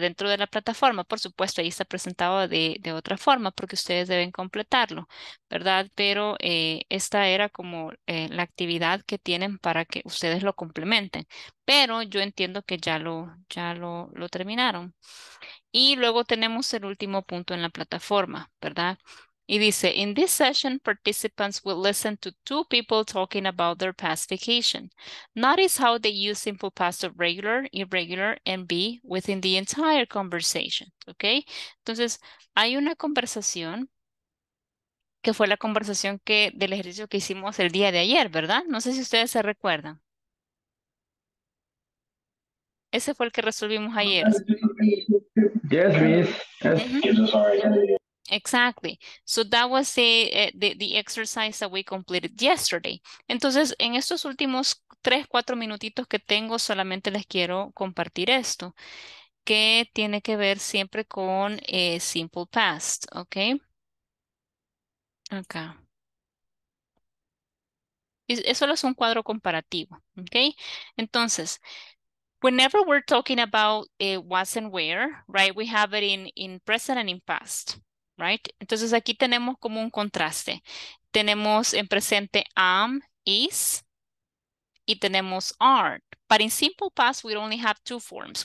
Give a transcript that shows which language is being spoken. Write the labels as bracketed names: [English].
[Spanish] Dentro de la plataforma, por supuesto, ahí está presentado de otra forma porque ustedes deben completarlo, ¿verdad? Pero esta era como la actividad que tienen para que ustedes lo complementen. Pero yo entiendo que ya lo terminaron. Y luego tenemos el último punto en la plataforma, ¿verdad? Y dice, [English] in this session, participants will listen to two people talking about their past vacation. Notice how they use simple past of regular, irregular, and be within the entire conversation, okay? [Spanish] Entonces, hay una conversación que fue la conversación que del ejercicio que hicimos el día de ayer, ¿verdad? No sé si ustedes se recuerdan. Ese fue el que resolvimos ayer. [English] Yes, miss. Exactly. So that was the exercise that we completed yesterday. [Spanish] Entonces, en estos últimos 3-4 minutitos que tengo, solamente les quiero compartir esto, que tiene que ver siempre con simple past, okay? Acá. Es solo un cuadro comparativo, okay? Entonces, [English] whenever we're talking about was and where, right? We have it in present and in past. [Spanish] Right? Entonces aquí tenemos como un contraste. Tenemos en presente am, is, y tenemos are. [English] But in simple past, we only have two forms.